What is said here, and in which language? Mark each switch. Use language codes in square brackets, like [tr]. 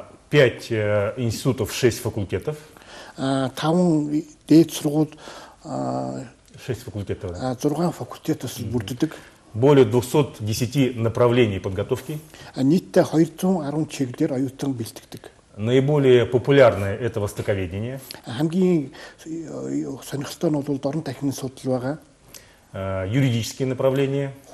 [ru] 5 институтов, 6 факультетов. [mn] 5 дээд сургууль [ru] 6 факультетов. [mn] 6 факультетос бүрддэг. [ru] Более 210 направлений подготовки. [mn] Нийт 210 чиглэлээр оюутан бэлтгэдэг. [ru] Наиболее популярное это востоковедение. Юридические направления.